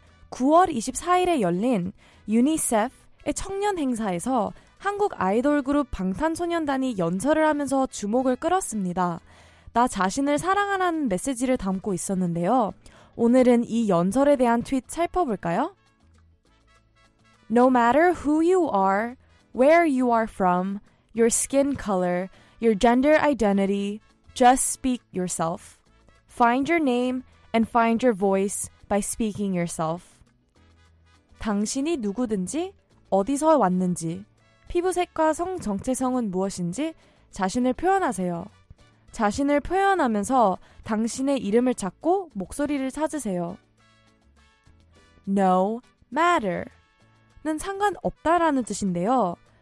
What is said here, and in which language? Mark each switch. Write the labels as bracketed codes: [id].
[ko] 9월 24일에 열린 유니세프의 청년 행사에서 한국 아이돌 그룹 방탄소년단이 연설을 하면서 주목을 끌었습니다. 나 자신을 사랑하라는 메시지를 담고 있었는데요. 오늘은 이 연설에 대한 트윗 살펴볼까요? [en] No matter who you are, where you are from, your skin color, your gender identity, just speak yourself. Find your name and find your voice by speaking yourself. [ko] 당신이 누구든지, 어디서 왔는지, 피부색과 성 정체성은 무엇인지 자신을 표현하세요. 자신을 표현하면서 당신의 이름을 찾고 목소리를 찾으세요. No matter는 상관없다라는 뜻인데요.